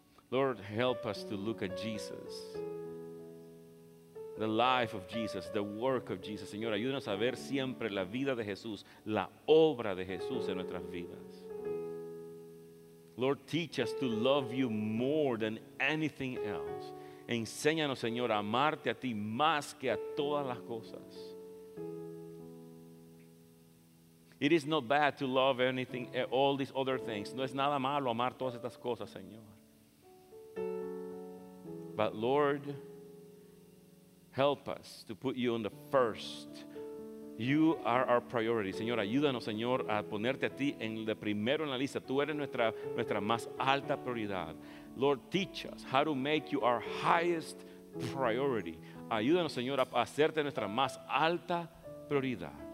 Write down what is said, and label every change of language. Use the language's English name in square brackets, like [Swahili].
[English] Lord, help us to look at Jesus, the life of Jesus, the work of Jesus. [Spanish] Señor, ayúdanos a ver siempre la vida de Jesús, la obra de Jesús en nuestras vidas. [English] Lord, teach us to love you more than anything else. [Spanish] Enséñanos, Señor, a amarte a ti más que a todas las cosas. [English] It is not bad to love anything, all these other things. [Spanish] No es nada malo amar todas estas cosas, Señor. [English] But Lord, help us to put you on the first. You are our priority. [Spanish] Señor, ayúdanos, Señor, a ponerte a ti en el primero en la lista. Tú eres nuestra más alta prioridad. [English] Lord, teach us how to make you our highest priority. [Spanish] Ayúdanos, Señor, a hacerte nuestra más alta prioridad.